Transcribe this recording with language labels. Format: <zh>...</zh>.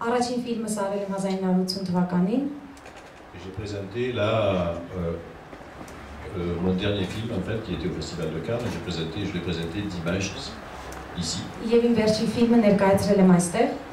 <hy>Առաջին ֆիլմը սարել եմ 1980 թվականին։</hy> <fr>J'ai présenté là mon dernier film en fait qui était au festival de Cannes, je l'ai présenté dimanche ici.</fr> <hy>Եվ իմ վերջին ֆիլմը ներկայացրել եմ այստեղ։</hy>